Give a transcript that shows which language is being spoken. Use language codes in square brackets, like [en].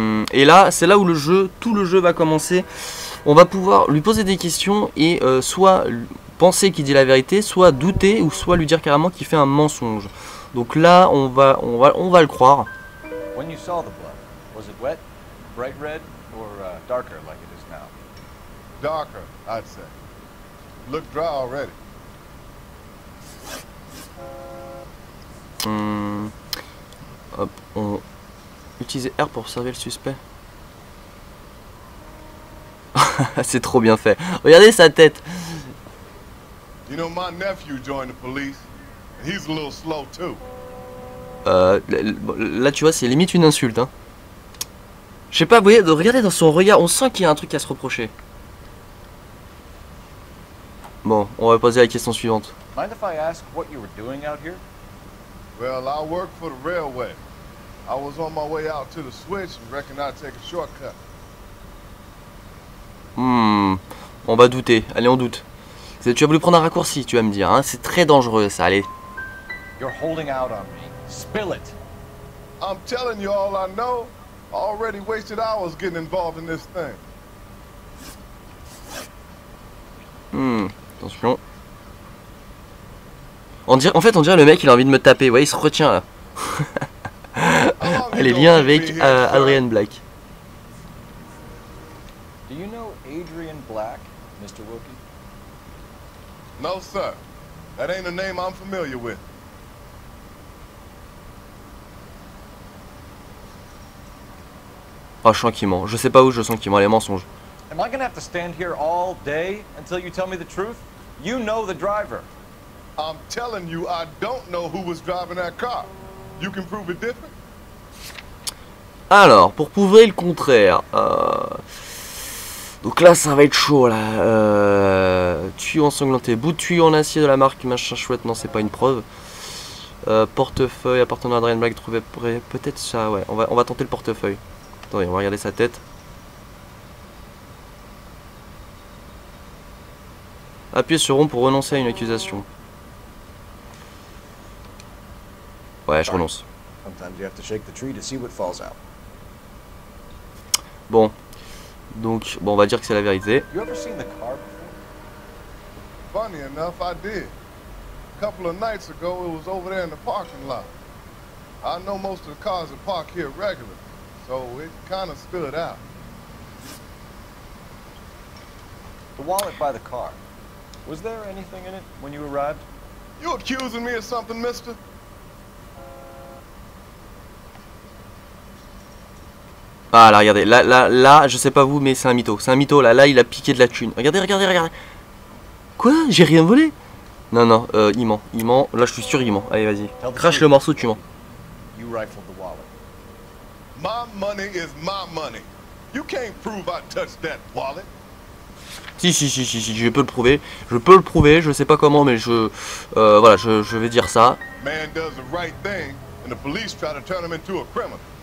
[fr] Et là, c'est là où le jeu, tout le jeu va commencer. On va pouvoir lui poser des questions et soit penser qu'il dit la vérité, soit douter ou soit lui dire carrément qu'il fait un mensonge. Donc là, on va le croire. [en] When you saw the blood, was it wet, bright red, or darker like it is now? Darker, I'd say. Looked dry already. [fr] Hop, on utiliser R pour observer le suspect. C'est trop bien fait. Regardez sa tête. [en] You know my nephew joined the police. He's a little slow too. [fr] Là tu vois, c'est limite une insulte, hein. Je sais pas, vous voyez, regardez dans son regard, on sent qu'il y a un truc à se reprocher. Bon, on va poser la question suivante. [en] Mind if I ask what you were doing out here? Well, I work for the railway. I was on my way out to the switch and reckon I'd take a shortcut. [fr] On va douter. Allez, on doute. Tu as voulu prendre un raccourci, tu vas me dire, hein. C'est très dangereux ça, allez. [en] You're holding out on me. Spill it. I'm telling you all I know. Already wasted hours getting involved in this thing. [fr] Attention. En fait, on dirait le mec, il a envie de me taper. Ouais, il se retient là. Allez, lien avec Adrian Black. [en] Do you know Adrian Black, Mr. Wilkie? No, sir. That ain't a name I'm familiar with. [fr] Oh, je sens qu'il ment. Je sais pas où, je sens qu'il ment. Les mensonges. [en] Am I gonna have to stand here all day until you tell me the truth? You know the driver. I'm telling you, I don't know who was driving that car. You can prove it different. [fr] Alors, pour prouver le contraire, donc là, ça va être chaud, là. Tuyau ensanglanté, bout de tuyau en acier de la marque, machin chouette, non, c'est pas une preuve. Portefeuille appartenant à Adrian Black, trouvé prêt, peut-être ça, ouais, on va tenter le portefeuille. Attendez, on va regarder sa tête. Appuyez sur rond pour renoncer à une accusation. Ouais, je renonce. [en] Sometimes you have to shake the tree to see what falls out. [fr] Bon, donc, bon, on va dire que c'est la vérité. [en] You ever seen the car before? Funny enough, I did. A couple of nights ago, it was over there in the parking lot. I know most of the cars are parked here regularly, so it kind of stood out. The wallet by the car. Was there anything in it when you arrived? You accusing me of something, mister? [fr] Ah là, regardez, là, je sais pas vous, mais c'est un mytho, là, il a piqué de la thune. Regardez. Quoi? J'ai rien volé? Non, il ment, là, je suis sûr, il ment. Allez, vas-y, crache le morceau, tu mens. [en] You rifled the wallet. My money is my money. You can't prove I touched that wallet. [fr] Si, je peux le prouver, je sais pas comment, mais je vais dire ça. [en] Man does the right thing, and the police try to turn him into a criminal.